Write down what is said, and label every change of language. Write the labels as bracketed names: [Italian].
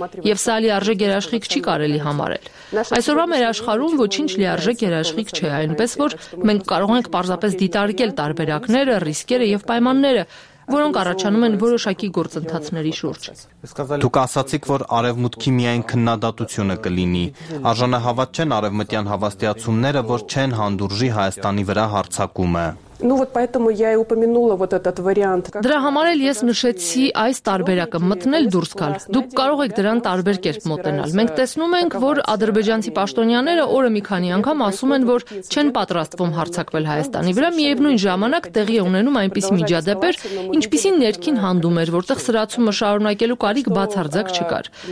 [Armenian] եւ սա լիարժեք երաշխիք չի կարելի համարել։ Այսօրվա մեր աշխարհում ոչինչ լիարժեք երաշխիք չէ, այնպես որ մենք կարող ենք պարզապես դիտարկել տարբերակները, ռիսկերը եւ պայմանները, որոնք առաջանում են որոշակի գործընթացների շուրջ։ Դուք ասացիք, որ արևմուտքի միայն քննադատությունը կլինի։ Արժանահավատ չեն արևմտյան հավաստիացումները, որ չեն հանդուրժի Հայաստանի վրա հարձակումը։ [Russian] Ну вот поэтому я и упомянула вот этот вариант. [Armenian] Դրա համար էլ ես նշեցի այս տարբերակը՝ մտնել դուրս գալ։ Դուք կարող եք դրան տարբեր կերպ մոտենալ։ Մենք տեսնում ենք, որ ադրբեջանցի պաշտոնյաները օրը մի քանի անգամ ասում են, որ չեն պատրաստվում հարձակվել Հայաստանի վրա, միևնույն ժամանակ տեղի ունենում այնպիսի միջադեպեր, ինչպիսին ներքին հանդում էր, որտեղ սրացումը շարունակելու կարիք բացարձակ չկար։